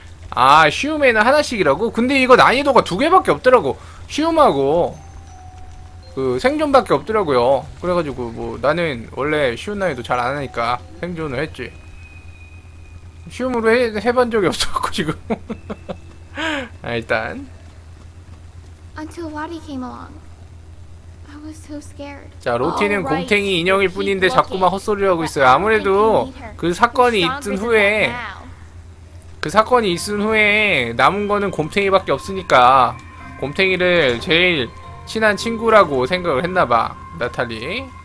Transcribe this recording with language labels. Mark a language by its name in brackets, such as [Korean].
[Korean] 아, 쉬움에는 하나씩이라고? 근데 이거 난이도가 두 개밖에 없더라고. 쉬움하고, 그, 생존밖에 없더라고요. 그래가지고, 뭐, 나는 원래 쉬운 난이도 잘 안 하니까 생존을 했지. 쉬움으로 해본 적이 없었고 지금. 아, 일단. [English] Until Wadi came along, I was so scared. [Korean] 자, 로티는 곰탱이 인형일 뿐인데 자꾸 막 헛소리를 하고 있어요. 아무래도 그 사건이 있은 후에, 그 사건이 있은 후에 남은 거는 곰탱이밖에 없으니까 곰탱이를 제일 친한 친구라고 생각을 했나 봐. 나탈리.